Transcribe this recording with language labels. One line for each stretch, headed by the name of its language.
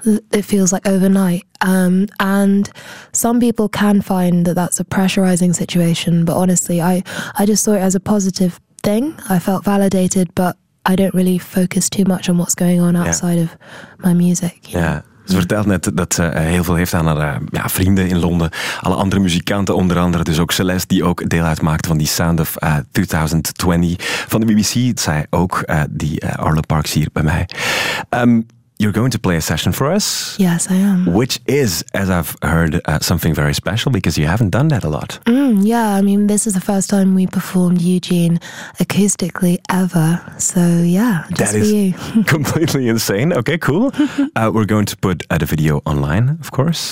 English: It feels like overnight. And some people can find that that's a pressurizing situation. But honestly, I just saw it as a positive thing. I felt validated, but I don't really focus too much on what's going on outside of my music. Yeah.
Dutch: Ze vertelt net dat ze heel veel heeft aan haar vrienden in Londen. Alle andere muzikanten, onder andere dus ook Celeste, die ook deel uitmaakte van die Sound of 2020 van de BBC. Het zei ook die Arlo Parks hier bij mij.
English: You're going to play a session for us. Yes, I am. Which is, as I've heard, something very special because you haven't done that a lot. I mean, this is the first time we performed Eugene acoustically ever. So yeah, just that for is you. Completely insane. Okay, cool. We're going to put the video online, of course.